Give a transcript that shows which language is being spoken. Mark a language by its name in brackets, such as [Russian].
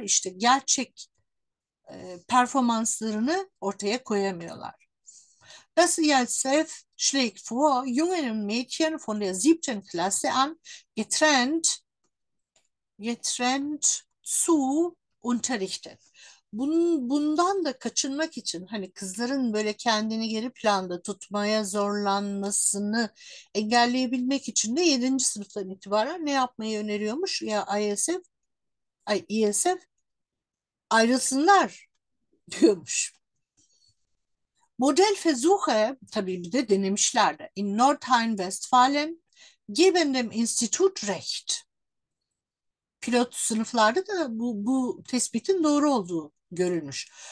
[Turkish] İşte gerçek performanslarını ortaya koyamıyorlar. [German] Das ISF schlägt vor, jungen Mädchen von der siebten Klasse an getrennt zu unterrichten. [Turkish] Bundan da kaçınmak için, hani kızların böyle kendini geri planda tutmaya zorlanmasını engelleyebilmek için de 7. sınıftan itibaren ne yapmayı öneriyormuş? Ya ISF, ay ISF ayrılsınlar diyormuş. Modellversuche, tabii bir de denemişler de. [German] In Nordrhein-Westfalen geben dem Institut recht. [Turkish] Pilot sınıflarda da bu tespitin doğru olduğu görülmüş.